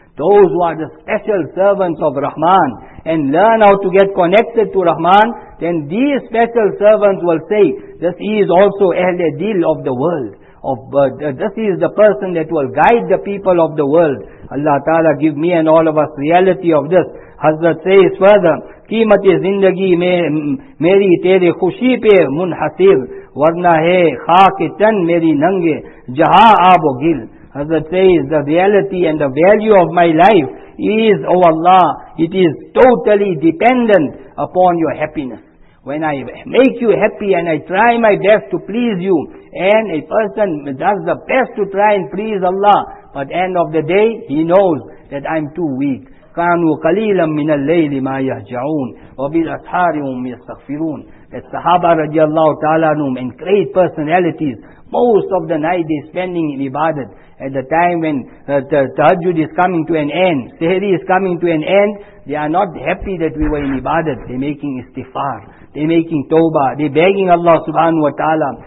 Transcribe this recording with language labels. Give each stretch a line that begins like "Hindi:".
English: Those who are the special servants of Rahman and learn how to get connected to Rahman, then these special servants will say, this is also Ahle Dil of the world. This is the person that will guide the people of the world. Allah Ta'ala give me and all of us reality of this. Hazrat says further,
Urdu: قیمتِ زندگی میری تیرے خوشی پہ منحصر ورنہ ہے خاک تن میری ننگے جہاں آب و گل.
English: Hazrat says, the reality and the value of my life is, O Allah, it is totally dependent upon your happiness. When I make you happy and I try my best to please you, and a person does the best to try and please Allah, but end of the day, he knows that I'm too weak.
Arabic: كانوا قليلا من الليل ما يهجعون وبالأسحار هم يستغفرون. الصحابة رضي الله تعالى عنهم
English: and great personalities, most of the night they spending in ibadat. At the time when the tahajjud is coming to an end, sehri is coming to an end, they are not happy that we were in ibadat. They making istighfar, they making tawbah, they begging Allah subhanahu wa ta'ala.